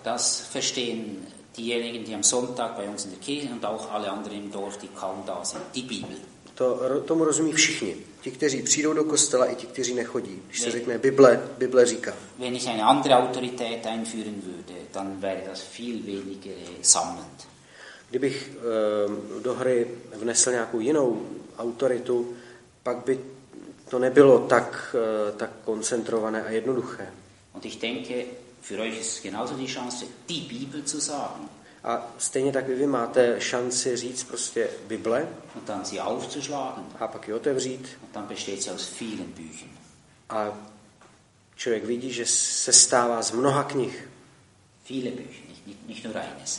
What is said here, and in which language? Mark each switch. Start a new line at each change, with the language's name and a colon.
German: Das verstehen diejenigen, die am Sonntag bei uns in der Kirche und auch alle anderen im Dorf, die kaum da sind. Die Bibel.
Czech: Tomu rozumí všichni. Ti, kteří přijdou do kostela i ti, kteří nechodí. Když se řekne Bible, Bible říká.
German: Wenn ich eine andere Autorität einführen würde, dann wäre das viel weniger sammelnd.
Czech: Kdybych do hry vnesl nějakou jinou autoritu, pak by to nebylo tak koncentrované a jednoduché.
German: Und ich denke, für euch ist genauso die Chance, die Bibel zu sagen.
Czech: A stejně tak vy máte šanci říct prostě Bible.
German: Und dann sie aufzuschlagen.
Czech: A pak ji otevřít.
German: Und dann besteht sie aus vielen Büchern.
Czech: A člověk vidí, že se stává z mnoha knih.
German: Viele Bücher, nicht nur eines.